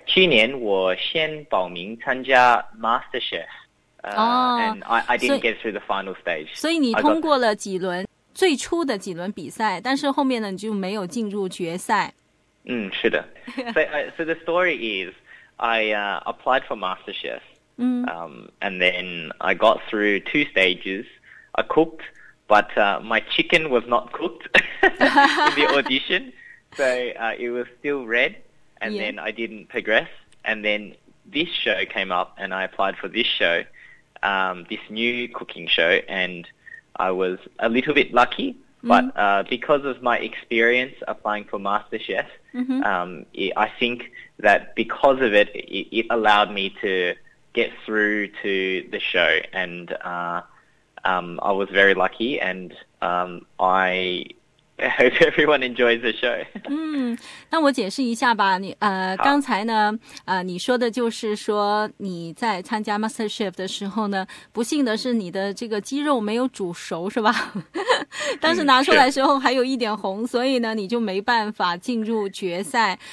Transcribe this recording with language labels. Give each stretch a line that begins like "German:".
Chinese: 去年我先报名参加
English: Master Chef， and I didn't get through the final stage。
Chinese: 所以你通过了几轮最初的几轮比赛，但是后面呢你就没有进入决赛。嗯，是的。
English: So the story is I applied for Master Chef。 And then I got through two stages. I cooked, but my chicken was not cooked in the audition, so it was still red. And then I didn't progress. And then this show came up, and I applied for this show, this new cooking show. And I was a little bit lucky, but because of my experience applying for MasterChef, I think that because of it, it allowed me to get through to the show, and I was very lucky, and I hope everyone enjoys the show.
Chinese: 那我解释一下吧，你刚才呢你说的就是说你在参加 MasterChef 的时候呢，不幸的是你的这个鸡肉没有煮熟是吧？当时拿出来的时候还有一点红，所以呢你就没办法进入决赛。